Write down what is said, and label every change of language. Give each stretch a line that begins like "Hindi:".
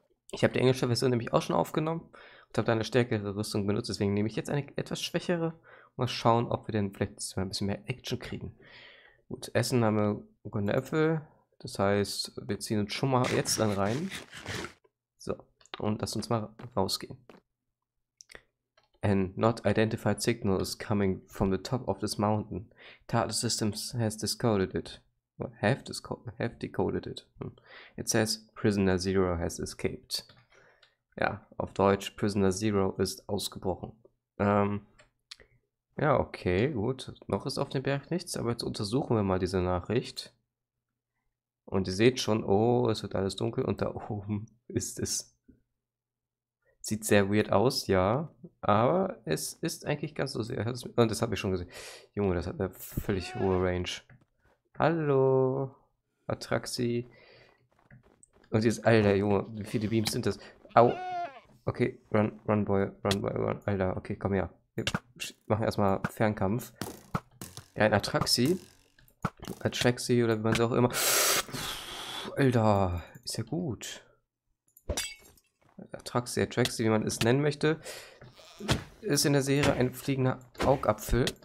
German: Ich habe die englische Version nämlich auch schon aufgenommen und habe da eine stärkere Rüstung benutzt. Deswegen nehme ich jetzt eine etwas schwächere. Mal schauen, ob wir denn vielleicht mal ein bisschen mehr Action kriegen. Gut, Essen haben wir grüne Äpfel. Das heißt, wir ziehen uns schon mal jetzt dann rein. So, und lass uns mal rausgehen.
English: An not identified signal is coming from the top of this mountain. TARDIS Systems has decoded it. Or have decoded it. It says, Prisoner Zero has escaped.
German: Ja, auf Deutsch, Prisoner Zero ist ausgebrochen. Ja, okay, gut. Noch ist auf dem Berg nichts, aber jetzt untersuchen wir mal diese Nachricht. Und ihr seht schon, oh, es wird alles dunkel und da oben ist es. Sieht sehr weird aus, ja, aber es ist eigentlich ganz so sehr. Und das habe ich schon gesehen. Junge, das hat eine völlig hohe Range. Hallo, Atraxi. Und jetzt, Alter, Junge, wie viele Beams sind das? Au.
English: Okay, run, run, boy, run, boy, run.
German: Alter, okay, komm her. Wir machen erstmal Fernkampf. Ja, ein Atraxi. Atraxi oder wie man sie auch immer. Alter, ist ja gut. Atraxi, wie man es nennen möchte. Ist in der Serie ein fliegender Augapfel.